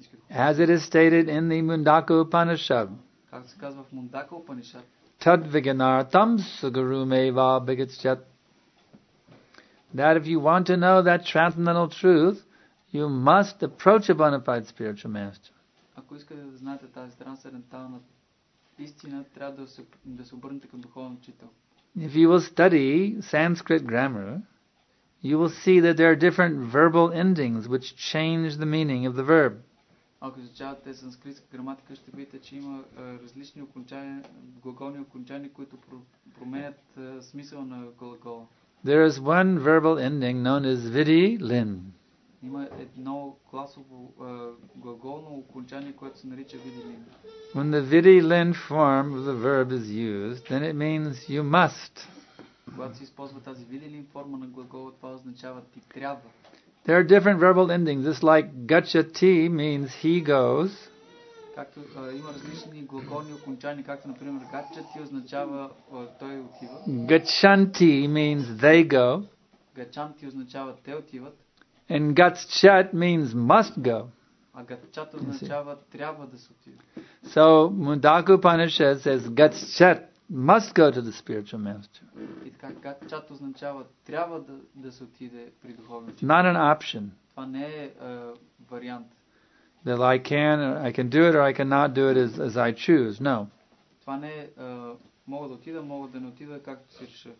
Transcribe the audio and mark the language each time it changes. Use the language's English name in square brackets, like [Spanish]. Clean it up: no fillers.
[English] As it is stated in the Mundaka Upanishad. [Sanskrit] Tad viganartam sugarumeva bhigacchat. [English] That if you want to know that transcendental truth, you must approach a bona fide spiritual master. [Bulgarian] Ако искате да знаете тази трансцендентална истина, трябва да се обърнете към духовен учител. [English] If you will study Sanskrit grammar, you will see that there are different verbal endings which change the meaning of the verb. [Bulgarian] Ако изучавате санскритска граматика, ще видите, че има различни окончания, глаголни окончания, които променят смисъл на глагола. [English] There is one verbal ending known as vidhi lin. [Bulgarian] Има едно класово глаголно окончание, което се нарича vidhi lin. [English] When the vidhi lin form of the verb is used, then it means you must. [Bulgarian] Когато се използва тази vidhi lin форма на глагола, това означава ти трябва. [English] There are different verbal endings. It's like gacchati means he goes. [Bulgarian] Както има различни глаголни окончания, както например gacchati означава той отива. [English] Gacchanti means they go. [Bulgarian] Gacchanti означава те отиват. [English] And gacchat means must go. [Bulgarian] А gacchat означава трябва да се отиде. [English] So Mundaka Upanishad says gacchat must go to the spiritual master. [Bulgarian] И така gacchat означава трябва да се отиде при духовния учител. [English] Not an option. [Bulgarian] Това не е вариант. [English] That I can do it or I cannot do it as I choose. No. [Bulgarian] Това не е мога да отида, мога да не отида както си реша.